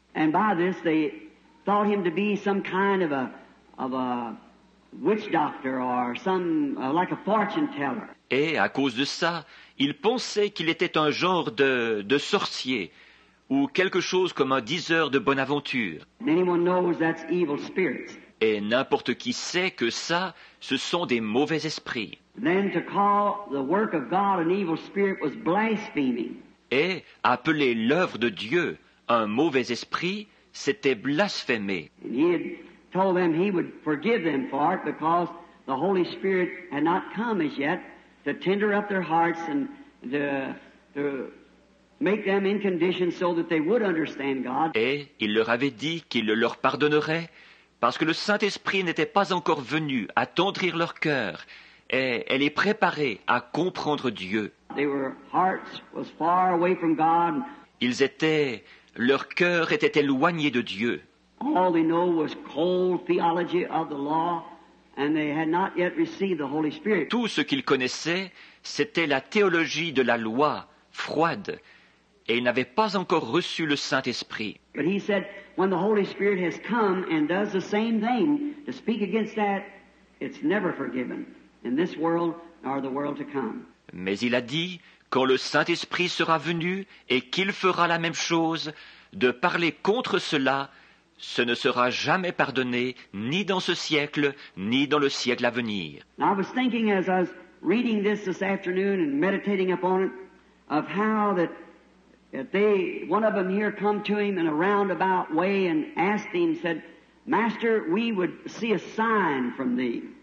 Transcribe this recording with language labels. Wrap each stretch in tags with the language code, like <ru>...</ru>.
<en>And by this they thought him to be some kind of a witch doctor or some like a fortune teller.</en> <fr>Et à cause de ça, ils pensaient qu'il était un genre de sorcier ou quelque chose comme un diseur de bonne aventure.</fr> <en>Anyone knows that's evil spirits.</en> <fr>Et n'importe qui sait que ça, ce sont des mauvais esprits.</fr> <en>Then to call the work of God an evil spirit was blaspheming.</en> <fr>Et appeler l'œuvre de Dieu un mauvais esprit, c'était blasphémer.</fr> <en>And he had told them he would forgive them for it because the Holy Spirit had not come as yet to tender up their hearts and to make them in condition so that they would understand God.</en> <fr>Et il leur avait dit qu'il leur pardonnerait parce que le Saint-Esprit n'était pas encore venu à tendrir leur cœur et les préparer à comprendre Dieu.</fr> <en>Their hearts was far away from God.</en> <fr>Ils étaient, leur cœur était éloigné de Dieu.</fr> <en>All they know was cold theology of the law. And they had not yet received the Holy Spirit.</en> <fr>Tout ce qu'ils connaissaient, c'était la théologie de la loi, froide, et ils n'avaient pas encore reçu le Saint-Esprit.</fr> <en>But he said, when the Holy Spirit has come and does the same thing, to speak against that, it's never forgiven in this world or the world to come.</en> <fr>Mais il a dit, quand le Saint-Esprit sera venu et qu'il fera la même chose, de parler contre cela, ce ne sera jamais pardonné, ni dans ce siècle, ni dans le siècle à venir.</fr> <en>I was thinking as I was reading this afternoon and meditating upon it, of how that they, one of them here come to him in a roundabout way and asked him, said, Master, we would see a sign from thee.</en>